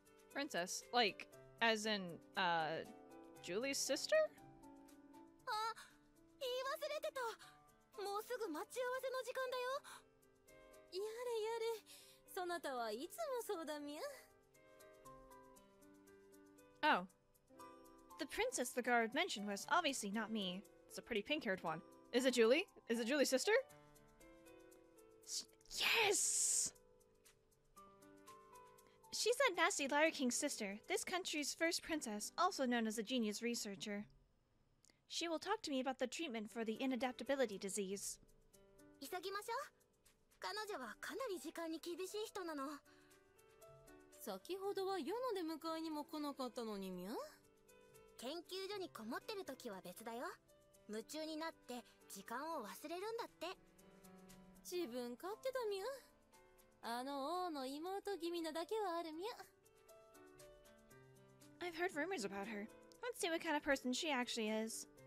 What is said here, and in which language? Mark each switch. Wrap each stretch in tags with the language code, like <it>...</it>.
<en>Princess, like, as in, Julie's sister?</en> <ja>あ、言い忘れてた。もうすぐ待ち合わせの時間だよ。やれやれ、そなたはいつもそうだみゃ。</ja> <en>Oh, the princess the guard mentioned was obviously not me. It's a pretty pink-haired one. Is it Julie? Is it Julie's sister? Yes! She's that nasty Liar King's sister, this country's first princess, also known as a genius researcher. She will talk to me about the treatment for the inadaptability disease.</en> <ja>急ぎましょう。彼女はかなり時間に厳しい人なの。先ほどは夜の出迎えにも来なかったのにみゃ。研究所にこもってる時は別だよ。夢中になって時間を忘れるんだって。自分勝手だみゃ。あの王の妹気味なだけはあるみゃ。</ja> <en>I've heard rumors about her. Let's see what kind of person she actually is.</en>